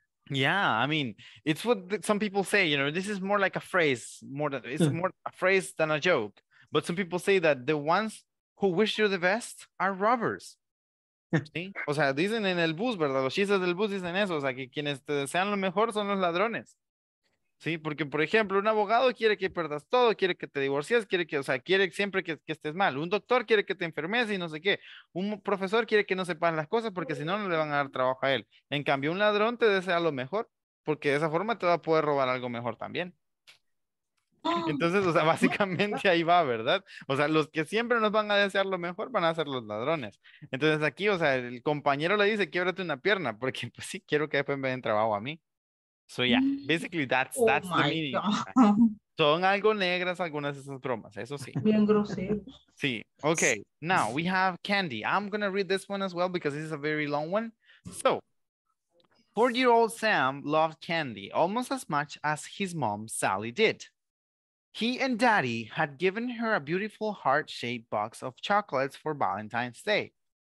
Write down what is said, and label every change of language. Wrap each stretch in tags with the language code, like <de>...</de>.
<en>Yeah, I mean, it's what some people say, you know, this is more like a phrase, more a phrase than a joke. But some people say that the ones who wish you the best are robbers.</en> <es>¿Sí? O sea, dicen en el bus, ¿verdad? Los chistes del bus dicen eso, o sea, que quienes te desean lo mejor son los ladrones. Sí, porque por ejemplo, un abogado quiere que pierdas todo, quiere que te divorcies, quiere que, o sea, quiere siempre que estés mal. Un doctor quiere que te enfermes y no sé qué. Un profesor quiere que no sepas las cosas porque si no, no le van a dar trabajo a él. En cambio, un ladrón te desea lo mejor porque de esa forma te va a poder robar algo mejor también. Entonces, o sea, básicamente ahí va, ¿verdad? O sea, los que siempre nos van a desear lo mejor van a ser los ladrones. Entonces aquí, o sea, el compañero le dice, quiébrate una pierna porque pues sí, quiero que después me den trabajo a mí.</es> <en>So yeah, basically that's the meaning. God.</en> <es>Son algo negras algunas de esas bromas, eso sí. Bien groseros.</es> <en>Sí, okay. Now we have Candy. I'm gonna read this one as well because this is a very long one. So, 4-year-old Sam loved candy almost as much as his mom Sally did. He and Daddy had given her a beautiful heart-shaped box of chocolates for Valentine's Day.</en>